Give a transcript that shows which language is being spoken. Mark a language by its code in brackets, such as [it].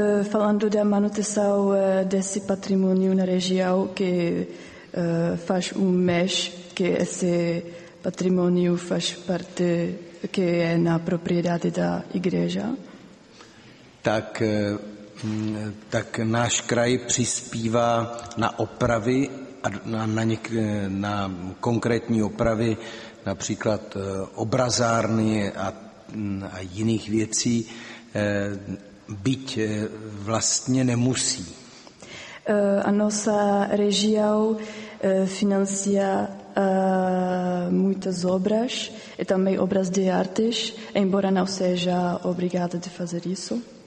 [pt] Falando da manutenção desse patrimônio na região, que faz mês que esse patrimônio faz parte, que é na propriedade da igreja. [cs] Tak náš kraj přispívá na opravy a na konkrétní opravy, například obrazárny a jiných věcí, byť vlastně nemusí. [pt] A nossa região financia muitas obras e também obras de artes, embora não seja obrigada de fazer isso.